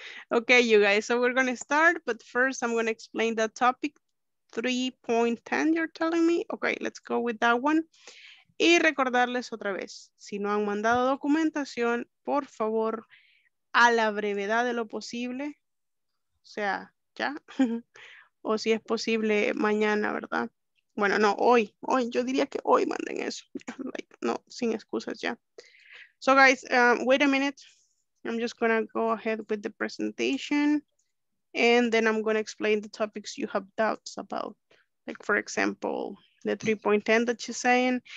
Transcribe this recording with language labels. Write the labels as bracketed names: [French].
[English] Okay, you guys, so we're going to start, but first I'm going to explain the topic 3.10, you're telling me? Okay, let's go with that one. [Spanish] Y recordarles otra vez, si no han mandado documentación, por favor, a la brevedad de lo posible, o sea, ya, o si es posible mañana, ¿verdad? Bueno, no, hoy, hoy, yo diría que hoy manden eso, like, no, sin excusas ya. [English] So guys, wait a minute, I'm just gonna go ahead with the presentation, and then I'm gonna explain the topics you have doubts about, like for example, the 3.10 that she's saying.